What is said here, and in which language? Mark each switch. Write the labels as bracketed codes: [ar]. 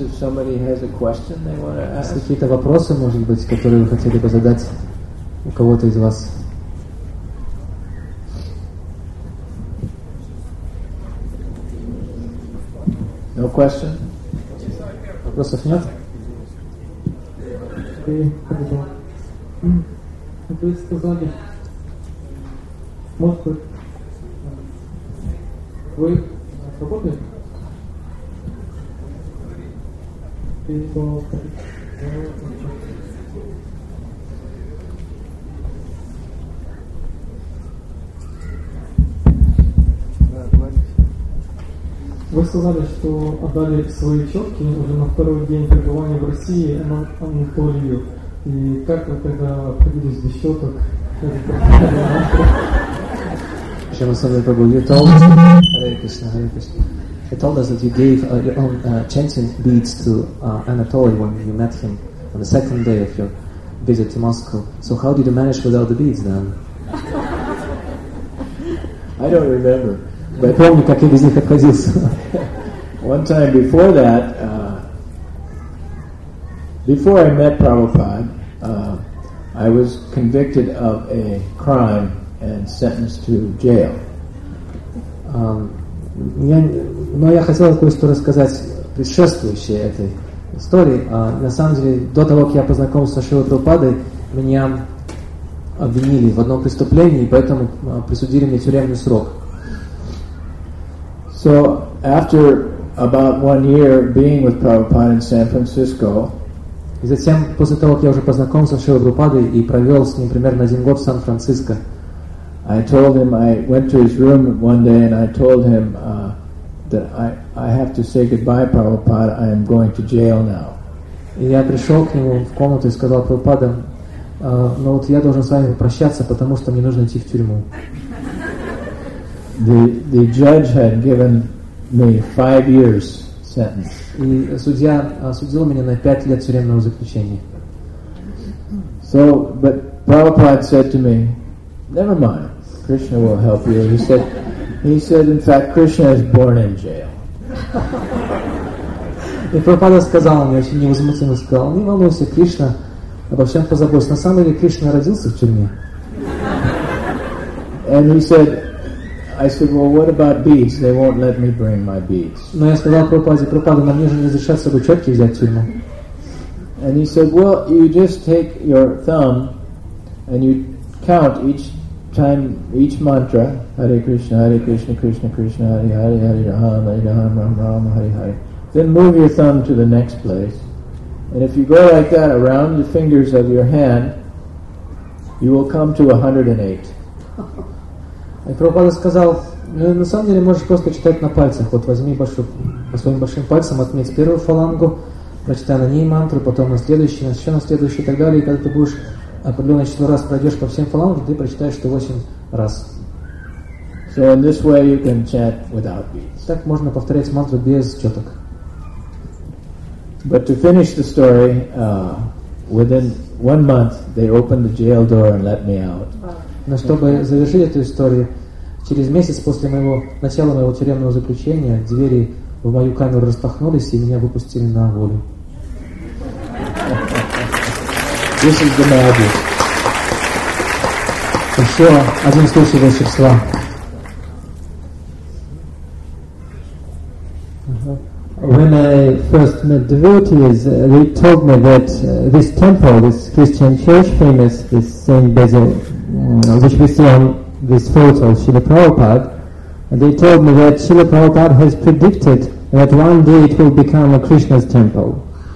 [en] If somebody has a question they want to ask. [ru] Есть какие-то вопросы, может быть, которые вы хотели бы задать у кого-то из вас? [en] No question? [ru] Вопросов нет? Вы сказали, может быть, вы работаете? Вы сказали, что отдали свои четки уже на второй день пребывания в России на Анатолию. И как вы тогда обходились без четок? Чем особенно поблагодарить? [en] He told us that you gave your own chanting beads to Anatoly when you met him on the second day of your visit to Moscow. So how did you manage without the beads then? I don't remember. But [ru] помню, как я без них обходился. [en] One time before that, before I met Prabhupada, I was convicted of a crime and sentenced to jail. [ru] Но я хотел кое что рассказать предшествующей этой истории. На самом деле, до того, как я познакомился с Шрилой Прабхупадой, меня обвинили в одном преступлении, поэтому присудили мне тюремный срок. [en] So after about one year being with Prabhupada in San Francisco, [ru] и затем, после того, как я уже познакомился с Шрилой Прабхупадой и провел с ним примерно один год в Сан-Франциско, [en] I told him, I went to his room one day and I told him that I have to say goodbye, Prabhupada, I am going to jail now. [ru] И я пришел к нему в комнату и сказал Прабхупаде, ну вот я должен с вами прощаться, потому что мне нужно идти в тюрьму. [en] The judge had given me 5 years sentence. [ru] И судья осудил меня на 5 лет тюремного заключения. [en] So, but Prabhupada said to me, never mind. Krishna will help you. He said, in fact, Krishna is born in jail. [ru] И Прабхупада сказал мне, очень невозмутимо сказал, не волнуйся, Кришна обо всем позаботится. На самом деле Кришна родился в тюрьме. [en] And he said, I said, well, what about beads? They won't let me bring my beads. [ru] Но я сказал Прабхупаде, Прабхупада, нам нужно разрешать собой четки взять в тюрьму. [en] And he said, well, you just take your thumb and you count each time, each mantra, Hare Krishna, Hare Krishna, Krishna Krishna, Hare Hare, Hare Ram, Hare Ram, Ram Ram, Hare Hare. Then move your thumb to the next place. And if you go like that around the fingers of your hand, you will come to 108. [ru] И Прабхупада сказал, на самом деле можешь просто читать на пальцах. Вот возьми по своим большим пальцам, отметь первую фалангу, прочитай на ней мантру, потом на следующую, еще на следующую и так далее. И когда ты будешь определенное число раз пройдешь по всем фалангам, ты прочитаешь 108 раз. [en] So in this way you can chant without beads. [ru] Так можно повторять мантру без четок. [en] But to finish the story, within 1 month they opened the jail door and let me out. [ru] Но чтобы завершить эту историю, через месяц после моего начала моего тюремного заключения двери в мою камеру распахнулись и меня выпустили на волю. [en] This is the magic. [ru] Еще один случай волшебства. [en] When I first met devotees, they told me that this temple, this Christian church, famous, this Saint Basil, which we see on this photo of Srila Prabhupada, they told me that Srila Prabhupada has predicted that one day it will become a Krishna's temple.